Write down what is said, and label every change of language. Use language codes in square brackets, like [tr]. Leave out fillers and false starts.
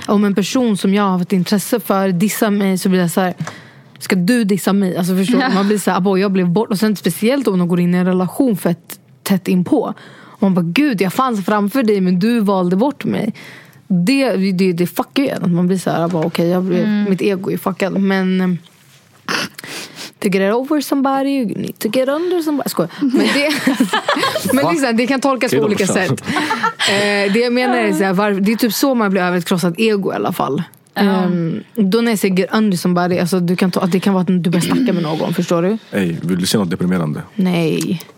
[sv] Om en person som jag har haft intresse för dissar mig, så blir jag så här, ska du dissa mig? Alltså förstår du? Man blir så här, jag blev bort. Och sen speciellt om de går in i en relation för ett tätt inpå. Och man bara, gud, jag fanns framför dig men du valde bort mig. Det fuckar ju en. Att man blir så här, okej, jag blev, mitt ego är fuckad. Men... [en] To get over somebody, you need to get under somebody. [sv] Skoja. Men det, men liksom, det kan tolkas på olika sätt. Det jag menar är såhär, det är typ så man blir över ett krossat ego i alla fall. Då när jag säger [en] get under somebody, [sv] alltså, du kan ta, det kan vara att du börjar snacka med någon, förstår du? Hey, vill du se något deprimerande? Nej.